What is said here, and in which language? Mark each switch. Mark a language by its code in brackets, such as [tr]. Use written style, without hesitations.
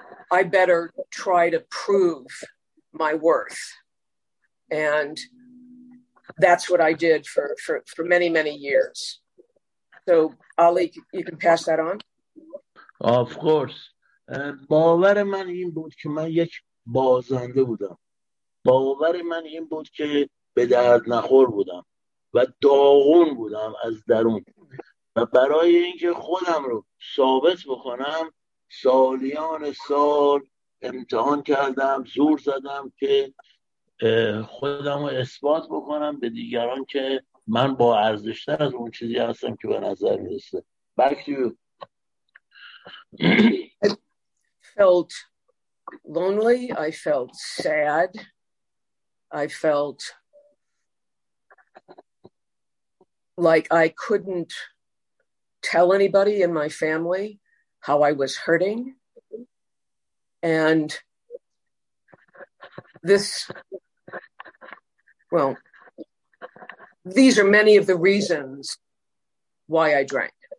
[en] I better try to prove my worth. And that's what I did for many, many years. So Ali, you can pass that on. Of course. [fa] باور من این بود که من یک بازنده بودم. باور من این بود که به درد نخور بودم و داغون بودم از درون. و برای اینکه خودم رو ثابت بکنم سالیان سال امتحان کردم، زور زدم که خودم رو اثبات بکنم به دیگران که من با ارزش‌تر از اون چیزی هستم که به نظر میرسه. [en] Back to you. I felt lonely, I felt sad, I felt like I couldn't tell anybody in my family how I was hurting, and this, well, these are many of the reasons why I drank.